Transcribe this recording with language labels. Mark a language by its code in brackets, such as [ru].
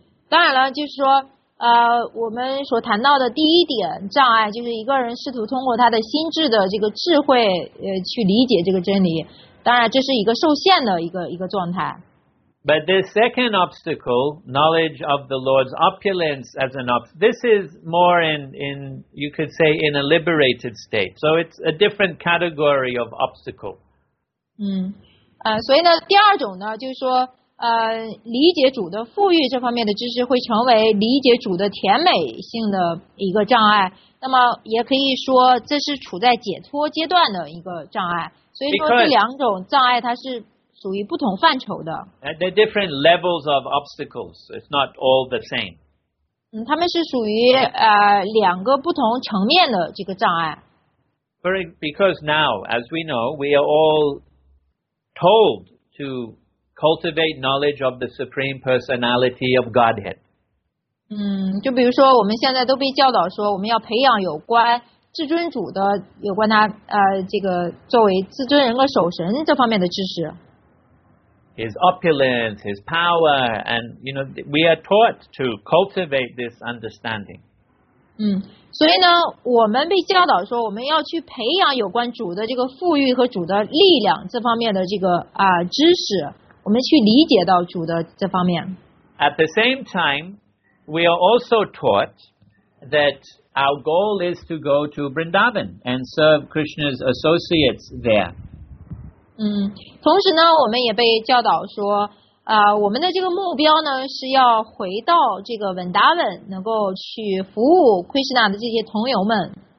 [zh] 当然了，就是说，我们所谈到的第一点障碍，就是一个人试图通过他的心智的这个智慧，去理解这个真理。当然，这是一个受限的一个状态。 [en] But the second obstacle, knowledge of the Lord's opulence as an obstacle, this is more in, you could say, in a liberated state. So it's a different category of obstacle. [zh] 所以呢，第二种呢，就是说，理解主的富裕这方面的知识会成为理解主的甜美性的一个障碍。那么也可以说，这是处在解脱阶段的一个障碍。所以说，这两种障碍它是属于不同范畴的。 [en] They're different levels of obstacles. It's not all the same. [zh] 他们是属于两个不同层面的这个障碍。 [en] Because now, as we know, we are all told to cultivate knowledge of the Supreme Personality of Godhead. [zh] 就比如说我们现在都被教导说我们要培养有关至尊主的有关他这个作为至尊人格守神这方面的知识。 [en] His opulence, his power, and you know, we are taught to cultivate this understanding. [zh] 所以呢，我们被教导说我们要去培养有关主的这个富裕和主的力量这方面的这个知识，我们去理解到主的这方面。 [en] At the same time, we are also taught that our goal is to go to Vrindavan and serve Krishna's associates there. [zh] 同时呢，我们也被教导说，我们的这个目标呢是要回到这个 Vrindavan， 能够去服务 Krishna 的这些同友们。